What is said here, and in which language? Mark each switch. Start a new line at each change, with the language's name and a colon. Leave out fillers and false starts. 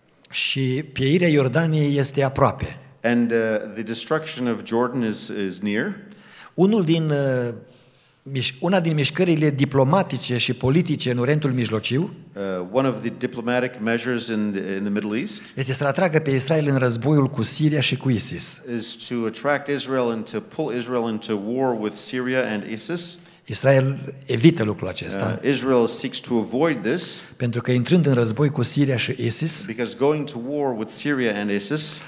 Romanian: Și pieirea Iordaniei este aproape.
English: And the destruction of Jordan is near.
Romanian: Unul din una din mișcările diplomatice și politice în Orientul Mijlociu,
English: one of the diplomatic measures in the Middle East,
Romanian: este să atragă pe Israel în războiul cu Siria și cu ISIS.
English: Is to attract Israel and to pull Israel into war with Syria and ISIS.
Romanian: Israel evită lucrul acesta.
English: Israel seeks to avoid this.
Romanian: Pentru că intrând în război cu Siria și ISIS,
English: because going to war with Syria and ISIS,